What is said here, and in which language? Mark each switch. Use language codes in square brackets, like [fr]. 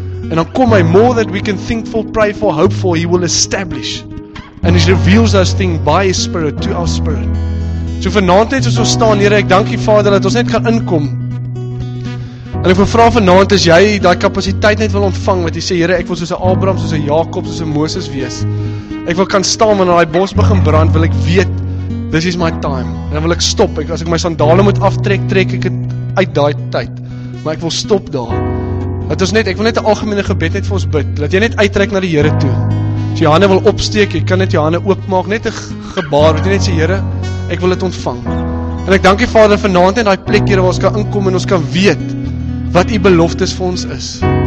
[af] En dan kom hy, [en] more that we can think for, pray for, hope for, he will establish. And he reveals those things by his spirit, to our spirit. [af] So vanavond net soos ons staan, Here, ek dank u Vader, dat ons net gaan inkom. En ek wil vra vanavond, as jy die kapasiteit net wil ontvang, wat jy sê, Here, ek wil soos 'n Abraham, soos 'n Jakob, soos 'n Moses wees. Ek wil kan staan, wanneer die bos begin brand, wil ek weet, [en] this is my time. [af] En dan wil ek stop, as ek my sandale moet aftrek, trek ek het uit die tyd. Maar ek wil stop daar. Dat ons net, ek wil net 'n algemene gebed net vir ons bid, dat jy net uittrek na die Here toe. As jy hande wil opsteek, jy kan net jy hande oopmaak, net 'n gebaar, wat jy net sê, Here, ek wil dit ontvang. En ek dank jy Vader vanavond in die plek, Here, waar ons kan inkom en ons kan weet, wat die beloftes vir ons is.